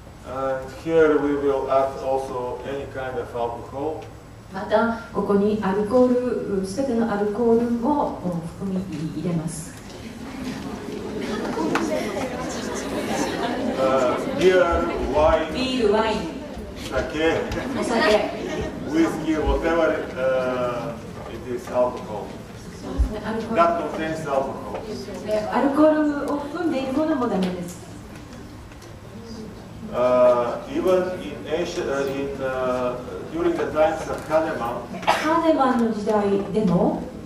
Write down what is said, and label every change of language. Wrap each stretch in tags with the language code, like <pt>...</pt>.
<en>And here we will add also any kind of alcohol.</en> <ja>またここにアルコール、すべてのアルコールを含み入れます。</ja> <en>Beer, wine, beer, wine, sake,</en> <ja>お酒、</ja> <en>whiskey, whatever it is, alcohol. That contains alcohol.</en> <ja>アルコールを含んでいるものもダメです。</ja> <en>Even in Asia, in during the times of Kahneman,</en> <ja>Kahneman の時代でも、</ja>